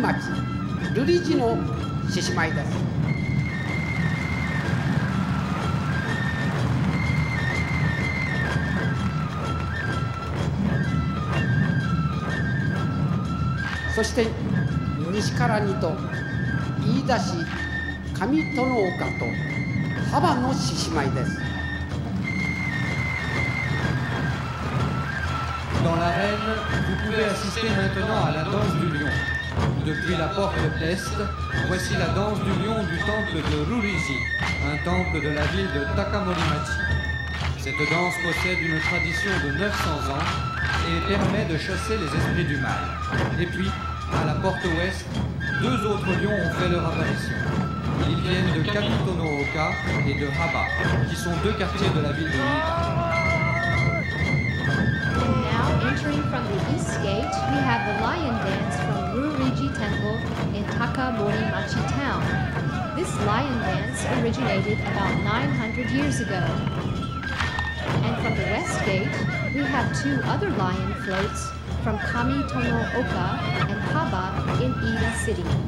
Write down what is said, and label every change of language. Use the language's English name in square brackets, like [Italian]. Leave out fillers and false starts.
[Japanese] を払う獅子舞が登場しました。まず東から一頭、900年の伝統を誇る下稲郡北高森町瑠璃寺の獅子舞です。 [French] Dans l'arène, vous pouvez assister maintenant à la danse du lion. Depuis la porte est, voici la danse du lion du temple de Ruriji, un temple de la ville de Takamorimachi. Cette danse possède une tradition de 900 ans et permet de chasser les esprits du mal. Et puis, à la porte ouest, deux autres lions ont fait leur apparition. Ils viennent de Kamitonooka et de Haba, qui sont deux quartiers de la ville de Nida. [English] Now entering from the east gate, we have the lion dance from Ruriji Temple in Takamorimachi Town. This lion dance originated about 900 years ago. And from the west gate, we have two other lion floats from Kamitonooka and Haba in Ida City.